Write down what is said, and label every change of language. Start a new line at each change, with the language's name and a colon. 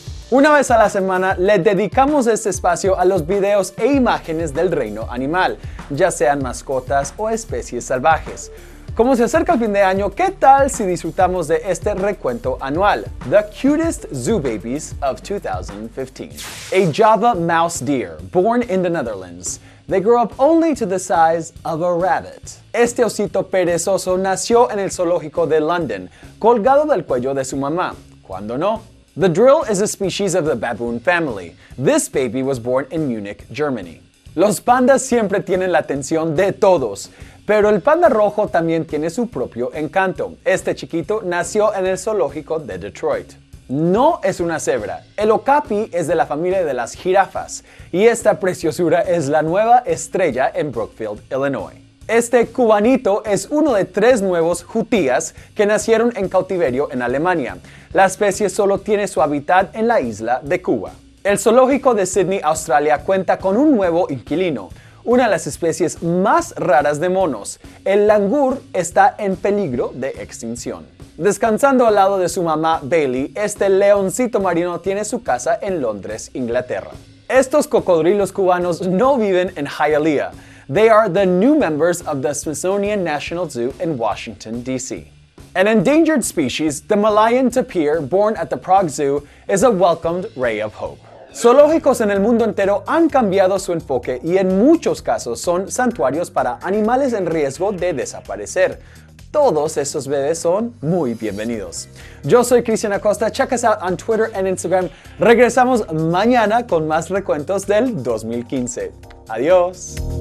Spanish: Una vez a la semana, le dedicamos este espacio a los videos e imágenes del reino animal, ya sean mascotas o especies salvajes. Como se acerca el fin de año, ¿qué tal si disfrutamos de este recuento anual?
English: The Cutest Zoo Babies of 2015. A Java mouse deer, born in the Netherlands. They grow up only to the size of a rabbit.
Spanish: Este osito perezoso nació en el zoológico de London, colgado del cuello de su mamá. ¿Cuándo no?
English: The drill is a species of the baboon family. This baby was born in Munich, Germany.
Spanish: Los pandas siempre tienen la atención de todos, pero el panda rojo también tiene su propio encanto. Este chiquito nació en el zoológico de Detroit. No es una cebra. El okapi es de la familia de las jirafas y esta preciosura es la nueva estrella en Brookfield, Illinois. Este cubanito es uno de tres nuevos jutías que nacieron en cautiverio en Alemania. La especie solo tiene su hábitat en la isla de Cuba. El zoológico de Sydney, Australia, cuenta con un nuevo inquilino, una de las especies más raras de monos. El langur está en peligro de extinción. Descansando al lado de su mamá, Bailey, este leoncito marino tiene su casa en Londres, Inglaterra. Estos cocodrilos cubanos no viven en Hialeah.
English: They are the new members of the Smithsonian National Zoo in Washington, D.C. An endangered species, the Malayan tapir, born at the Prague Zoo, is a welcomed ray of hope.
Spanish: Zoológicos en el mundo entero han cambiado su enfoque y en muchos casos son santuarios para animales en riesgo de desaparecer. Todos esos bebés son muy bienvenidos. Yo soy Cristian Acosta.
English: Check us out on Twitter and Instagram.
Spanish: Regresamos mañana con más recuentos del 2015. Adiós.